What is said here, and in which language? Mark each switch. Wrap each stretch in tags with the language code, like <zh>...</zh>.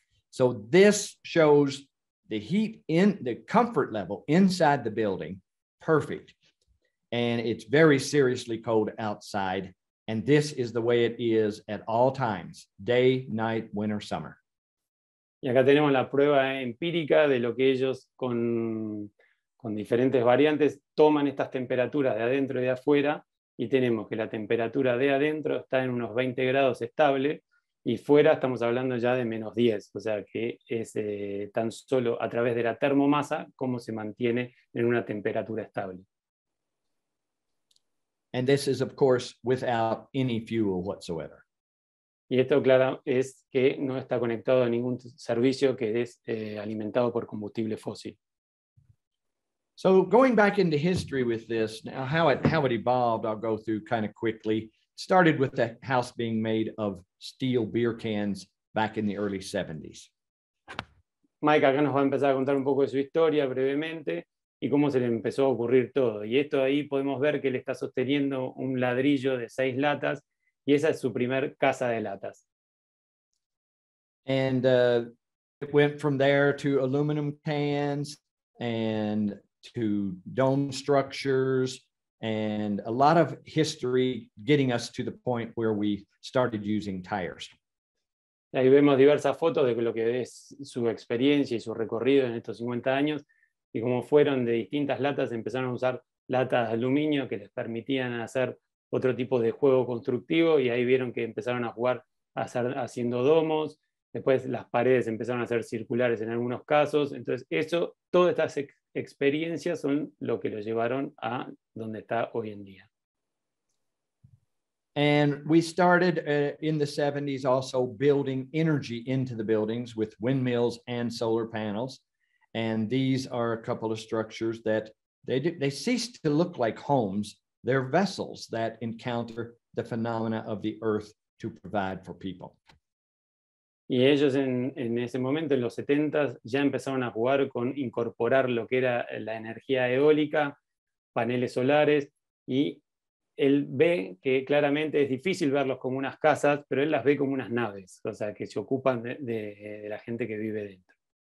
<en>So this shows the heat in the comfort level inside the building, perfect. And it's very seriously cold outside. And this is the way it is at all times, day, night, winter, summer.</en> <es>Y acá tenemos la prueba empírica de lo que ellos con diferentes variantes, toman estas temperaturas de adentro y de afuera, y tenemos que la temperatura de adentro está en unos 20 grados estable, y fuera estamos hablando ya de menos 10, o sea que es tan solo a través de la termomasa como se mantiene en una temperatura estable.</es> <en>And this is of course without any fuel whatsoever.</en> <es>Y esto, claro, es que no está conectado a ningún servicio que es alimentado por combustible fósil.</es> <en>So going back into history with this, now how it evolved, I'll go through kind of quickly. It started with the house being made of steel beer cans back in the early 70s.</en> <es>Mike acá nos va a empezar a contar un poco de su historia brevemente y cómo se le empezó a ocurrir todo. Y esto ahí podemos ver que él está sosteniendo un ladrillo de 6 latas y esa es su primer casa de latas.</es> <en>And it went from there to aluminum cans and to dome structures and a lot of history getting us to the point where we started using tires.</en> <es>Ahí vemos diversas fotos de lo que es su experiencia y su recorrido en estos 50 años y cómo fueron de distintas latas, empezaron a usar latas de aluminio que les permitían hacer otro tipo de juego constructivo y ahí vieron que empezaron a jugar haciendo domos. Después las paredes empezaron a ser circulares en algunos casos. Entonces eso, todas estas experiencias son lo que lo llevaron a donde está hoy en día.</es> <en>And we started in the 70s also building energy into the buildings with windmills and solar panels. And these are a couple of structures that they ceased to look like homes. They're vessels that encounter the phenomena of the earth to provide for people.</en> <es>Y ellos en ese momento, en los 70s, ya empezaron a jugar con incorporar lo que era la energía eólica, paneles solares, y él ve que claramente es difícil verlos como unas casas, pero él las ve como unas naves, o sea, que se ocupan de la gente que vive dentro.</es>